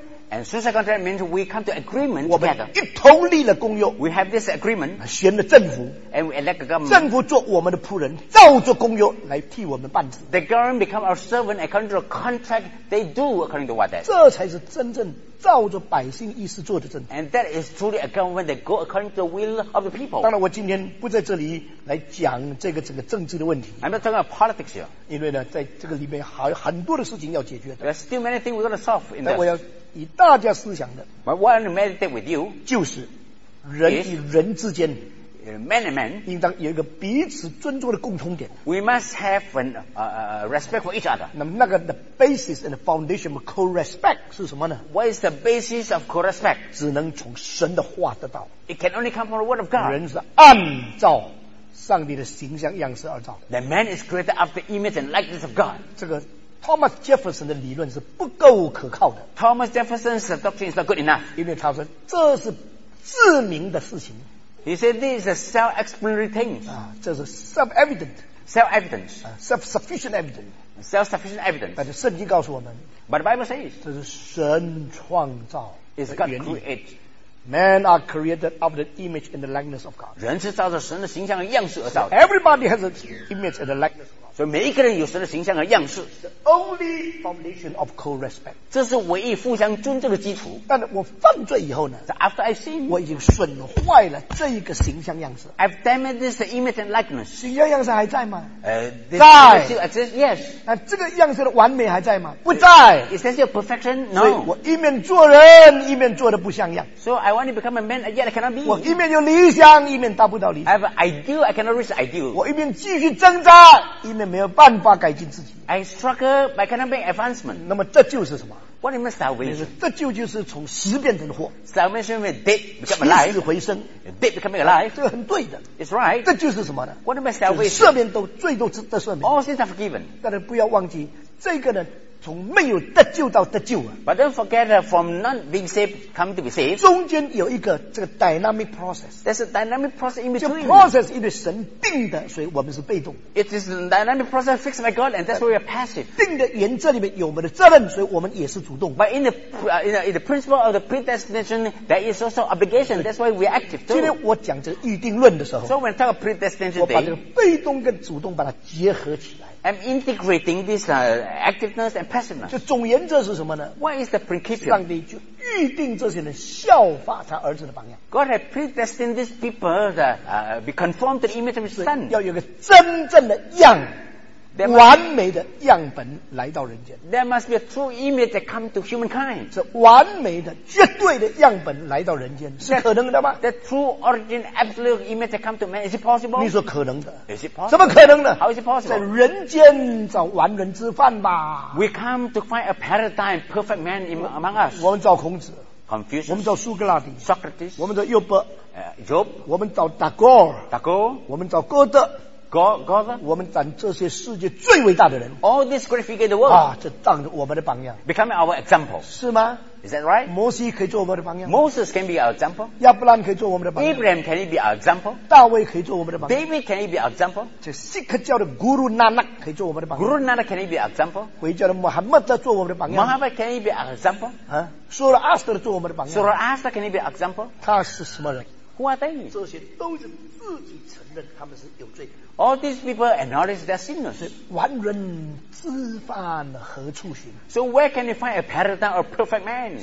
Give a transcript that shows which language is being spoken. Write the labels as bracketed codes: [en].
[en] And social contract means we come to agreement together. [zh] 我们一同立了公约。 [en] We have this agreement. [zh] 选了政府。 [en] And we elect a government. [zh] 政府做我们的仆人，照着公约来替我们办事。 [en] The government become our servant according to the contract they do according to what they. [zh] 这才是真正照着百姓意思做的政府。 [en] And that is truly a government that go according to the will of the people. [zh] 当然，我今天不在这里来讲这个整个政治的问题。 [en] I'm not talking about politics here. [zh] 因为呢，在这个里面还有很多的事情要解决的。 [en] There's still many things we're going to solve in this. [zh] 我要。以大家思想的 [en] But what I meditate with you [zh] 就是人与人之间 [en] many men, [zh] 应当有一个彼此尊重的共同点。 [en] We must have an respect for each other. [zh] 那么那个 [en] the basis and the foundation of co-respect [zh] 是什么呢？ [en] What is the basis of co-respect? [zh] 只能从神的话得到。 [en] It can only come from the word of God. [zh] 人是按照上帝的形象样式而造。 [en] The man is created after image and likeness of God. [zh] 这个Thomas Jefferson 的理论是不够可靠的。 [en] Thomas Jefferson's doctrine is not good enough. [zh] 因为他说这是自明的事情。 [en] He said this is a self-explanatory thing. [zh] 这是 self-evident. [en] Self-evident. Self-sufficient evidence. Self-sufficient evidence. [zh] 但是圣经告诉我们。 [en] But the Bible says. [zh] 这是神创造的原 [en] 理。Is God created. Men are created after the image and the likeness of God. [zh] 人是照着神的形象和样式而造的。 [en] Everybody has an image and a likeness of God. [zh] 所以每一个人有神的形象和样式。 [en] The only foundation of co-respect. [zh] 这是唯一互相尊重的基础。但我犯罪以后呢 [en] ？So after I sin, [zh] 我已经损坏了这一个形象样式。 [en] I've damaged this image and likeness. [zh] 形象样式还在吗？ [en] 在。Still exists? Yes. [zh] 那这个样式的完美还在吗？不在。 [en] Is that your perfection? No. [zh] 所以我一面做人，一面做的不像样。 [en] So I want to become a man, yet I cannot be. [zh] 我一面有理想，一面达不到理想。 [en] I have an ideal, I cannot reach the ideal. [zh] 我一面继续挣扎，一面没有办法改进自己。 [en] I struggle, but I cannot make advancement. [zh] 那么这就是什么？ [en] What is salvation? [zh] 这就是从死变成活。 [en] Salvation means death becoming alive. [zh] 起死回生。 [en] Death becoming alive. [zh] 这个很对的。 [en] It's right. [zh] 这就是什么呢？ [en] What is salvation? [zh] 赦免都罪都得赦免。 [en] All sins are forgiven. [zh] 但是不要忘记，这个呢从没有得救到得救啊 [en] ！But don't forget that from not being saved come to be saved. [zh] 中间有一个这个 dynamic process. [en] There's a dynamic process in between. [zh] 这 process 因为神定的，所以我们是被动。 [en] It is a dynamic process fixed by God, and that's why we are passive. [zh] 定的原则里面有我们的责任，所以我们也是主动。 [en] But in the principle of the predestination, there is also obligation. That's why we are active too. [zh] 今天我讲这个预定论的时候 [en] ，So when talk of predestination, [zh] 我把这个被动跟主动把它结合起来。 [en] I'm integrating this activeness and passiveness. [zh] 就总原则是什么呢 [en] ？What is the principle? [zh] 上帝就预定这些人效法他儿子的榜样。 [en] God has predestined these people to be conformed to the image of His Son. [zh] 要有个真正的样。完美的样本来到人间。 [en] There must be a true image that come to humankind. [zh] 这完美的、绝对的样本来到人间是可能的吗 [en] ？The true origin, absolute image that come to man is it possible? [zh] 你说可能的。 [en] Is it possible? [zh] 怎么可能的 [en] ？How is it possible? [zh] 在人间找完人之范吧。 [en] We come to find a paradigm perfect man among us. [zh] 我们找孔子。 [en] Confucius. [zh] 我们找苏格拉底。 [en] Socrates. [zh] 我们找约伯。 [en] Job. [zh] 我们找达戈尔。达戈尔。我们找歌德。 [en] God, [zh] 我们展这些世界最伟大的人 [en] All this great figure in the world [zh] 啊，这当着我们的榜样 [en] Becoming our example [zh] 是吗 [en] Is that right? [zh] 摩西可以做我们的榜样 [en] Moses can be our example [zh] 亚伯兰可以做我们的榜样 [en] Abraham can he be our example [zh] 大卫可以做我们的榜样 [en] David can he be our example [zh] 这锡克教的 Guru Nanak 可以做我们的榜样 [en] Guru Nanak can he be our example [zh] 回教的 Muhammad 做我们的榜样 [en] Muhammad can he be our example [zh] 啊 Zoroaster 做我们的榜样 [en] Zoroaster can he be our example [zh] 他是什么人 [en] Who are they? [zh] 这些都是自己承认他们是有罪的 [en] All these people acknowledge their sinners. [zh] 完人之范何处寻 [en] So where can you find a paradigm of perfect man?